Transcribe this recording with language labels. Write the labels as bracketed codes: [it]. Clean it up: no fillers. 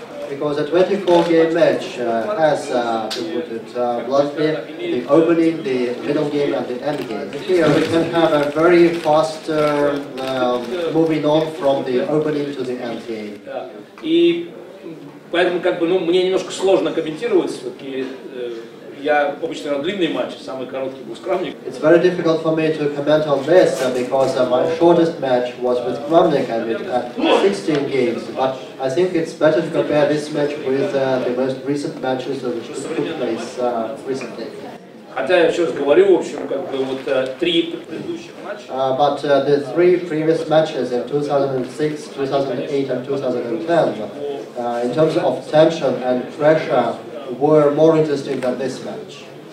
[en] Because a 24-game match has the opening, the middle game, and the end game. Here we can have a very fast moving on from the opening to the end game. [ru] Поэтому как бы, ну, мне немножко сложно комментировать, все-таки я обычно на длинный матч, самый короткий был Скрамник. [en] It's very difficult for me to comment on this, because my shortest match was with Скрамник, and it had 16 games. But I think it's better to compare this match with the most recent matches which took place recently. [ru] Хотя я еще раз говорю, в общем, как бы вот три предыдущих матча. [en] But the three previous matches in 2006, 2008 and 2010, in terms of tension and pressure, were more interesting than this match.